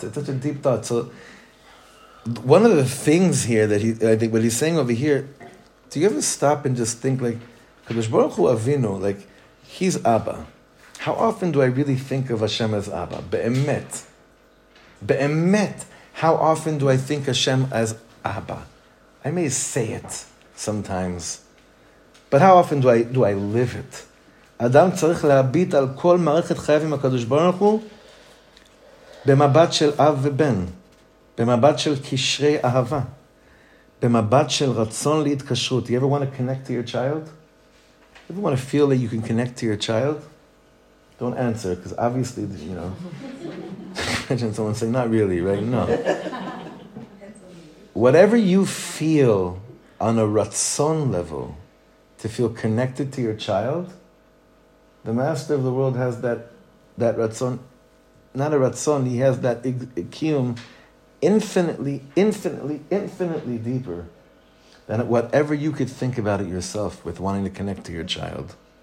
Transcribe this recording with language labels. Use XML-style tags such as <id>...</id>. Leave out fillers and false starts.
<en>So, one of the things here that what he's saying over here, do you ever stop and just think, like,</en> <he>Kadosh Baruch Hu Avinu,</he> <en>like, he's Abba. How often do I really think of Hashem as Abba? Be'emet. Be'emet. How often do I think Hashem as Abba? I may say it sometimes, but how often do I live it?</en> <he>Adam צריך להביט על כל מערכת חייו עם הקדוש ברוך הוא במבט של אב ובן, במבט של קשרי אהבה, במבט של רצון להתקשרות.</he> <en>You ever want to connect to your child? You ever want to feel that you can connect to your child? Don't answer, because obviously, you know. Imagine someone saying, not really, right? No. Whatever you feel on a רצון level to feel connected to your child, the master of the world has that ratzon, not a ratzon, he has that ikium infinitely, infinitely, infinitely deeper than whatever you could think about it yourself with wanting to connect to your child.</en>